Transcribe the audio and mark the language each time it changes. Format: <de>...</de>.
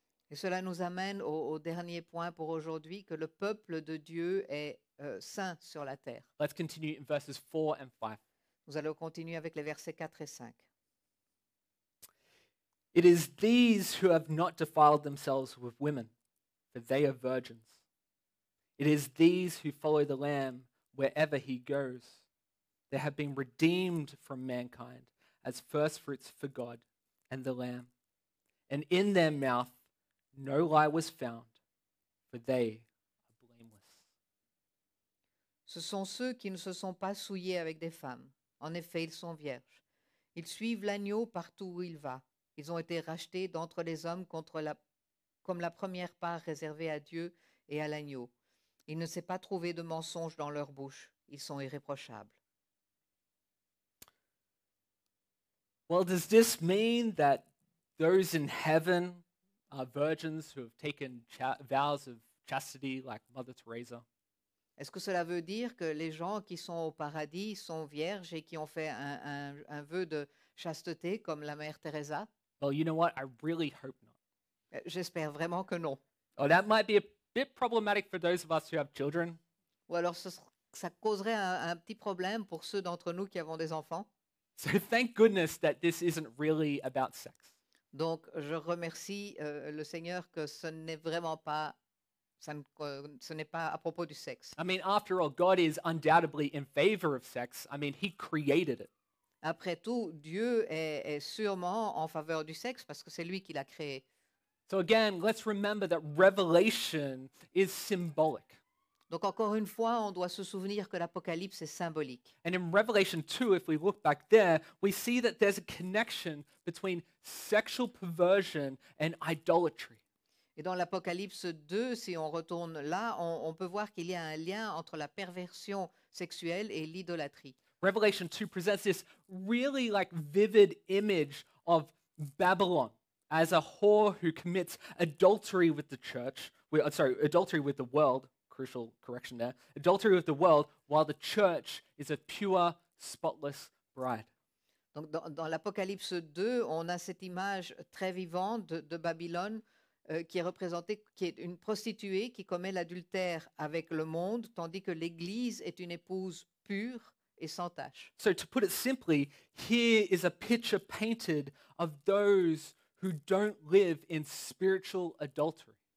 <fr>Et cela nous amène au dernier point pour aujourd'hui, que le peuple de Dieu est saint sur la terre.</fr> <en>Let's continue in verses 4 and 5.</en> <fr>Nous allons continuer avec les versets 4 et 5.</fr> <en>It is these who have not defiled themselves with women, for they are virgins. It is these who follow the Lamb wherever he goes. They have been redeemed from mankind as firstfruits for God and the Lamb. And in their mouth no lie was found, for they are blameless.</en> <fr>Ce sont ceux qui ne se sont pas souillés avec des femmes. En effet, ils sont vierges. Ils suivent l'agneau partout où il va. Ils ont été rachetés d'entre les hommes comme la première part réservée à Dieu et à l'agneau. Il ne s'est pas trouvé de mensonge dans leur bouche. Ils sont irréprochables.</fr> <en>Well, does this mean that those in heaven are virgins who have taken vows of chastity like Mother Teresa.</en> <fr>Est-ce que cela veut dire que les gens qui sont au paradis sont vierges et qui ont fait un vœu de chasteté comme la mère Teresa?</fr> <en>Well, you know what? I really hope not.</en> <fr>J'espère vraiment que non.</fr> <en>Oh, that might be a bit problematic for those of us who have children.</en> <fr>Ou alors ça causerait un petit problème pour ceux d'entre nous qui avons des enfants.</fr> <en>So thank goodness that this isn't really about sex.</en> <fr>Donc je remercie le Seigneur que ce n'est vraiment pas ce n'est pas à propos du sexe.</fr> <en>I mean, after all, God is undoubtedly in favor of sex. I mean, he created it.</en> <fr>Après tout, Dieu est sûrement en faveur du sexe parce que c'est lui qui l'a créé.</fr> <en>So again, let's remember that Revelation is symbolic.</en> <fr>Donc encore une fois, on doit se souvenir que l'Apocalypse est symbolique.</fr> <en>And in Revelation 2, if we look back there, we see that there's a connection between sexual perversion and idolatry.</en> <fr>Et dans l'Apocalypse 2, si on retourne là, on peut voir qu'il y a un lien entre la perversion sexuelle et l'idolâtrie.</fr> <en>Revelation 2 presents this really like vivid image of Babylon as a whore who commits adultery with the church, adultery with the world, crucial correction there, adultery with the world while the church is a pure, spotless bride.</en> <fr>Donc dans l'Apocalypse 2, on a cette image très vivante de Babylone qui est représentée, qui est une prostituée qui commet l'adultère avec le monde, tandis que l'Église est une épouse pure et sans tache.</fr> <en>So to put it simply, here is a picture painted of those who don't live in spiritual adultery.</en>